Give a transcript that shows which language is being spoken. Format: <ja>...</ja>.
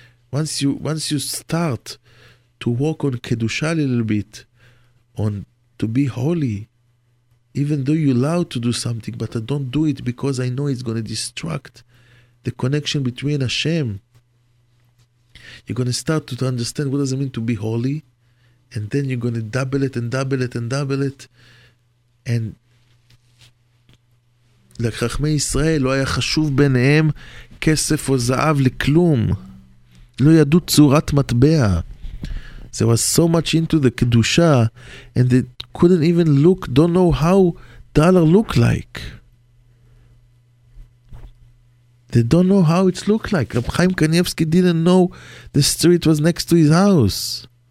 <en>Once you start to walk on Kedusha a little bit, on to be holy, even though you're allowed to do something, but I don't do it because I know it's going to destruct the connection between Hashem. You're going to start to understand what does it mean to be holy, and then you're going to double it and double it and double it. And like</en> <he>Chachmei Yisrael, לא היה חשוב ביניהם כסף או זהב לכלום. לא ידעו צורת מטבע.</he> <en>They were so much into the Kedusha and they couldn't even look, don't know how dollar look like. They don't know how it's look like. Reb Chaim Kanievsky didn't know the street was next to his house.</en>